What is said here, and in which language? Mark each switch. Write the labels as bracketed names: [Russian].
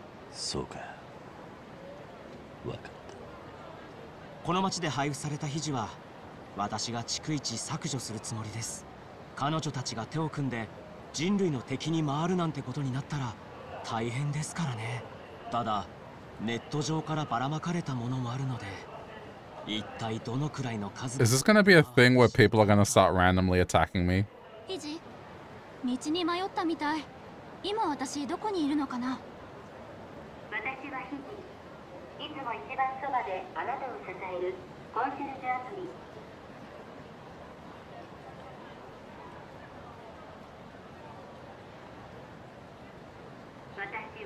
[Japanese] そうか、分かった。この町で配布された肘は私が逐一削除するつもりです。彼女たちが手を組んで人類の敵に回るなんてことになったら大変ですからね。ただネット上からばらまかれたものもあるので。 [English] Is this going to be a thing where people are going to start randomly attacking me? [Japanese] Hiji, 道に迷ったみたい。今私どこにいるのかな。私は Hiji。いつも一番そばであなたを支えるコンシェルジュアプリ。